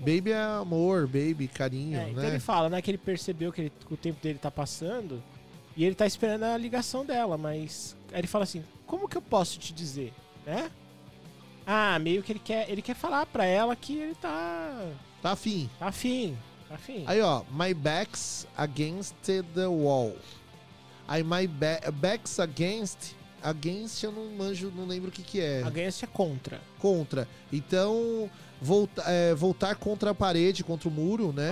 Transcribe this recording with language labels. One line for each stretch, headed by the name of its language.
Portuguese: Baby é amor, baby, carinho, é, né? Então ele fala, né? Que ele percebeu que o tempo dele tá passando... E ele tá esperando a ligação dela, mas... Aí ele fala assim, como que eu posso te dizer, né? Ah, meio que ele quer falar pra ela que ele tá... Tá afim.
English: Aí, ó, my back's against the wall. Aí, my back's against...
Portuguese: Against, eu não lembro o que que é. Against é contra. Contra. Então, voltar contra a parede, contra o muro, né?